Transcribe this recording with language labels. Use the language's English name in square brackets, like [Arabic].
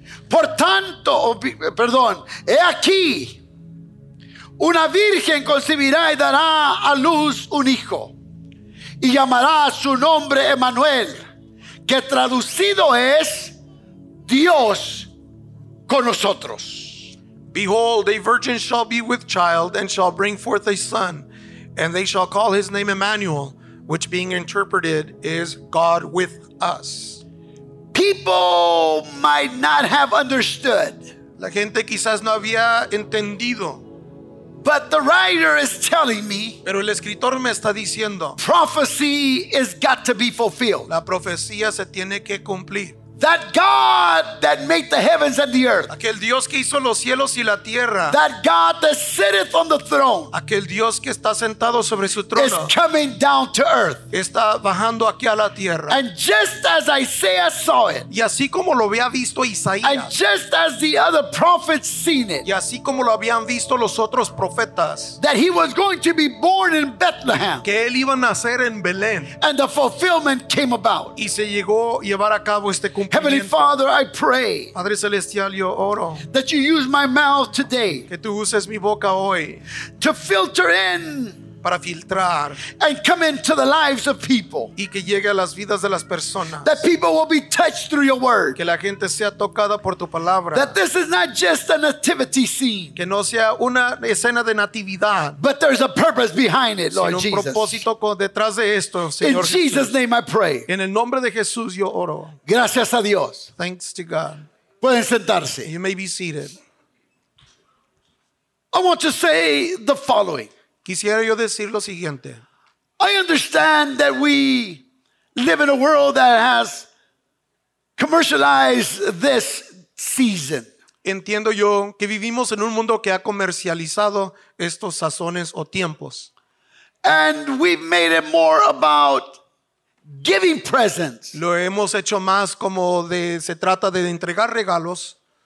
[Spanish] Por tanto, perdón, he aquí, una virgen concebirá y dará a luz un hijo, y llamará a su nombre Emmanuel, que traducido es Dios con nosotros. [English] Behold, a virgin shall be with child and shall bring forth a son, and they shall call his name Emmanuel, which being interpreted is God with us. People might not have understood. [Spanish] La gente quizás no había entendido. [English] But the writer is telling me. [Spanish] Pero el escritor me está diciendo. [English] Prophecy has got to be fulfilled. [Spanish] La profecía se tiene que cumplir. [English] That God that made the heavens and the earth. [Spanish] Aquel Dios que hizo los cielos y la tierra. [English] That God that sitteth on the throne. [Spanish] Aquel Dios que está sentado sobre su trono. [English] Is coming down to earth. [Spanish] Está bajando aquí a la tierra. [English] And just as Isaiah saw it. [Spanish] Y así como lo había visto Isaías. [English] And just as the other prophets seen it. [Spanish] Y así como lo habían visto los otros profetas. [English] That he was going to be born in Bethlehem. [Spanish] Que él iba a nacer en Belén. [English] And the fulfillment came about. [Spanish] Y se llegó a llevar a cabo este. [English] Heavenly Father, I pray [Spanish] Padre Celestial, yo oro [English] that you use my mouth today [Spanish] que tú uses mi boca hoy [English] to filter in [Spanish] para filtrar [English] and come into the lives of people [Spanish] y que llegue a las vidas de las personas [English] that people will be touched through your word [Spanish] que la gente sea tocada por tu palabra [English] that this is not just a nativity scene [Spanish] que no sea una escena de natividad [English] but there's a purpose behind it, Lord Jesus [Spanish] un propósito detrás de esto, Señor [English] in Jesus' name I pray [Spanish] en el nombre de Jesús yo oro gracias a Dios [English] thanks to God [Spanish] pueden sentarse [English] you may be seated I want to say the following [Spanish] quisiera yo decir lo siguiente. [English] I understand that we live in a world that has commercialized this season. [Spanish] Entiendo yo que vivimos en un mundo que ha comercializado estos sazones o tiempos. [English] And we've made it more about giving presents. [Spanish] Lo hemos hecho más como de se trata de entregar regalos.